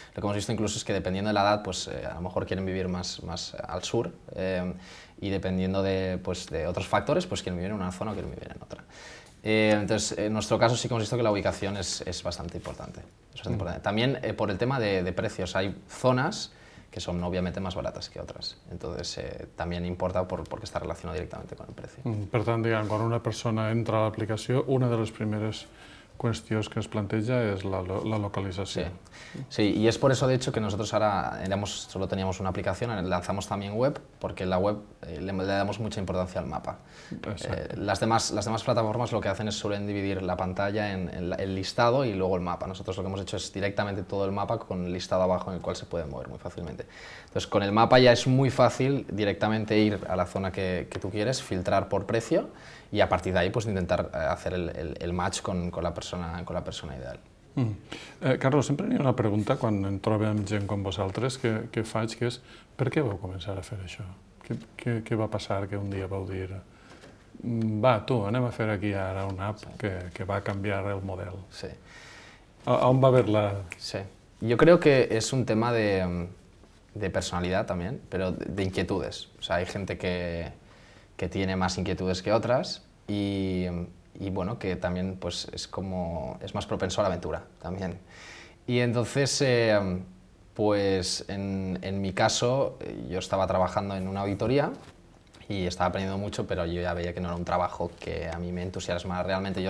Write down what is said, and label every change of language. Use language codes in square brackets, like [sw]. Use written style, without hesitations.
[es] Lo que hemos visto incluso es que dependiendo de la edad, pues a lo mejor quieren vivir más al sur y dependiendo de otros factores, pues quieren vivir en una zona o quieren vivir en otra. Entonces, en nuestro caso sí que hemos visto que la ubicación es bastante importante. Importante. También por el tema de precios, hay zonas que son obviamente más baratas que otras. Entonces, también importa porque está relacionado directamente con el precio. [ca] Per tant, diguem, quan una persona entra a l'aplicació, una de les primeres qüestions que es planteja és la localització. Sí, i és per això, de fet, que nosaltres ara [es] solo teníamos [ca] una aplicació, [es] lanzamos [ca] també web, perquè la web [es] le damos mucha importancia al mapa. Las demás plataformas lo que hacen es suelen dividir la pantalla en el listado y luego el mapa. Nosotros lo que hemos hecho es directamente todo el mapa con el listado abajo en el cual se puede mover muy fácilmente. Entonces, con el mapa ya es muy fácil directamente ir a la zona que tú quieres, filtrar por precio y a partir de ahí pues intentar hacer el match con la persona ideal. [ca] Carlos, sempre n'hi ha una pregunta quan em trobo amb gent com vosaltres que faig, que és per què vau començar a fer això? Què va passar que un dia vau dir va, tu, anem a fer aquí ara una app que va canviar el model? Sí. On va haver-la? Sí. Jo crec que és un tema de personalitat també, però d'inquietudes. O sigui, hi ha gent que té més inquietudes que altres i... [es] y bueno, que también pues es más propenso a la aventura también. Y entonces, pues en mi caso, yo estaba trabajando en una auditoría y estaba aprendiendo mucho, pero yo ya veía que no era un trabajo que a mí me entusiasmara realmente.